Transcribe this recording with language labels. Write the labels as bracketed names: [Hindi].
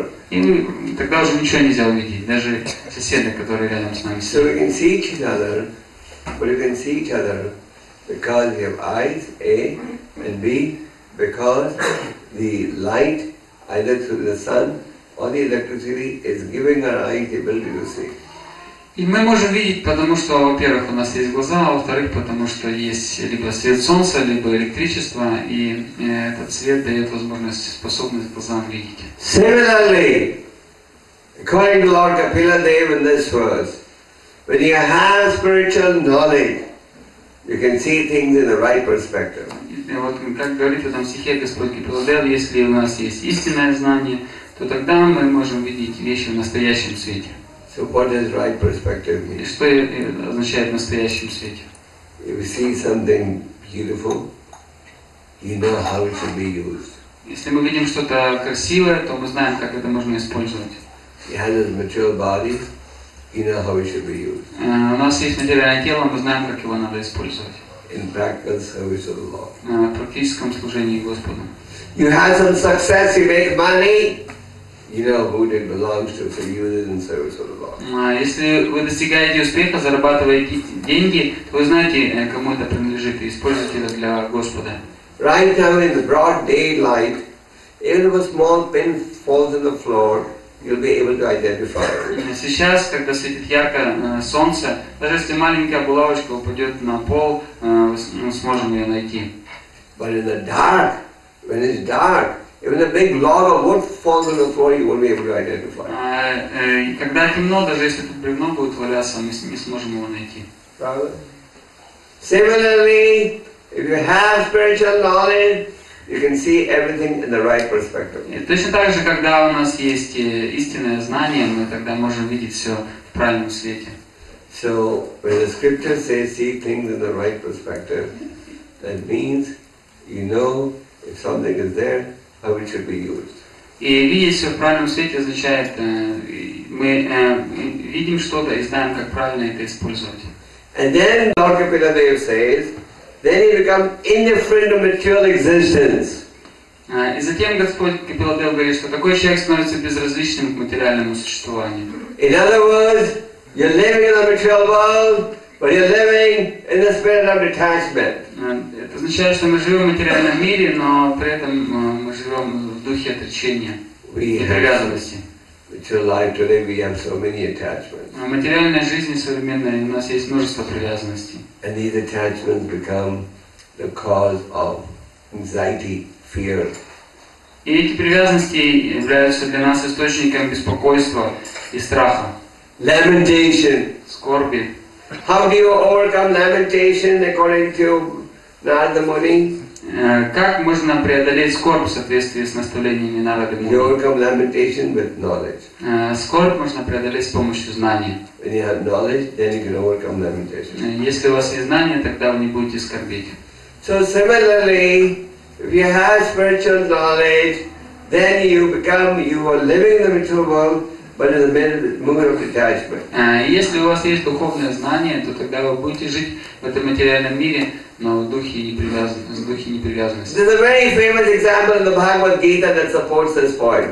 [Russian] И тогда уже ничего нельзя увидеть, даже соседа, который рядом с нами. [English] So we can see each other, but we can see each other because we have eyes, A, and B, because the light, either through the sun or the electricity, is giving our eyes the ability to see. [Russian] И мы можем видеть, потому что, во-первых, у нас есть глаза, а во-вторых, потому что есть либо свет солнца, либо электричество, и этот свет дает возможность, способность глазам видеть. [English] Similarly, according to Lord Kapila Dev in this verse, when you have spiritual knowledge, you can see things in the right perspective. [Russian] И вот как говорит в этом стихе Господь Капила Дев, если у нас есть истинное знание, то тогда мы можем видеть вещи в настоящем свете. [English] So what does right perspective mean? [Russian] И что означает в настоящем свете? [English] If you see something beautiful, you know how it should be used. [Russian] Если мы видим что-то красивое, то мы знаем, как это можно использовать. [English] He has a material body, you know how it should be used. [Russian] У нас есть материальное тело, мы знаем, как его надо использовать. [English] In practical service of the Lord. [Russian] В практическом служении Господу. [English] You have some success, you make money. You know who it belongs to, so use it in service of the Lord. [Russian] Если вы достигаете успеха, зарабатываете деньги, то вы знаете, кому это принадлежит, и используйте это для Господа. [English] Right now in the broad daylight, even if a small pin falls on the floor, you'll be able to identify it. [Russian] Сейчас, когда светит ярко солнце, даже если маленькая булавочка упадет на пол, мы сможем ее найти. [English] But in the dark, when it's dark, even a big log of wood falls on the floor, you won't be able to identify. [Russian] Когда темно, даже если тут бревно будет валяться, мы не сможем его найти. [English] Similarly, if you have spiritual knowledge, you can see everything in the right perspective. [Russian] Точно так же, когда у нас есть истинное знание, мы тогда можем видеть все в правильном свете. [English] So when the scripture says see things in the right perspective, that means you know if something is there. How it should be used. [Russian] И видеть все в правильном свете означает, мы видим что-то и знаем, как правильно это использовать. [English] And then Lord Kapila Dev says, then you become indifferent to material existence. [Russian] И затем Господь Капила Дев говорит, что такой человек становится безразличным к материальному существованию. [English] In other words, you're living in a material world, but you're living in the spirit of detachment. [Russian] Это означает, что мы живем в материальном мире, но при этом мы живем в духе отречения и привязанности. В материальной жизни современной у нас есть множество привязанностей. И эти привязанности являются для нас источником беспокойства и страха. [English] Lamentation. [Russian] Скорби. [English] How do you overcome lamentation according to Narada Muni? [Russian] Как можно преодолеть скорбь в соответствии с наставлениями Нарады Муни? [English] You overcome lamentation with knowledge. [Russian] Скорбь можно преодолеть с помощью знания. [English] When you have knowledge, then you can overcome lamentation. [Russian] Если у вас есть знание, тогда вы не будете скорбить. [English] So similarly, if you have spiritual knowledge, then you are living in the material world. But in the moment of detachment. [Russian] Если у вас есть духовное знание, то тогда вы будете жить в этом материальном мире, но в духе непривязанности. [English] There's a very famous example in the Bhagavad Gita that supports this point.